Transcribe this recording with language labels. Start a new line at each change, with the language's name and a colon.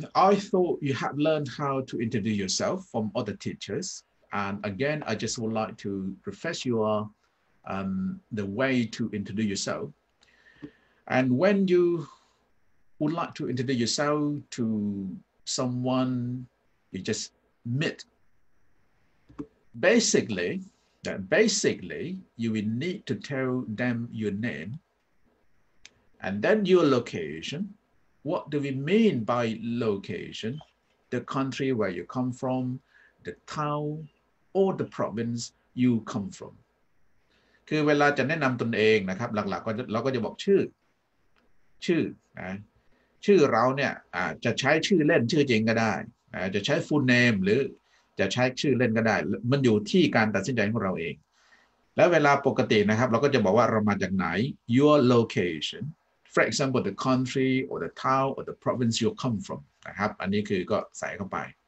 English: I thought you had learned how to introduce yourself from other teachers and again I just would like to refresh your the way to introduce yourself and when youWould like to introduce yourself to someone you just met. Basically, you will need to tell them your name and then your location. What do we mean by location? The country where you come from, the town or the province you come from.
Thai: คือเวลาจะแนะนำตนเองนะครับหลักๆเราก็จะบอกชื่อนะชื่อเราเนี่ยจะใช้ชื่อเล่นชื่อจริงก็ได้จะใช้ full name หรือจะใช้ชื่อเล่นก็ได้มันอยู่ที่การตัดสินใจของเราเองแล้วเวลาปกตินะครับเราก็จะบอกว่าเรามาจากไหน
English: your location for example the country or the town or the province you come from
Thai: นะครับอันนี้คือก็ใส่เข้าไป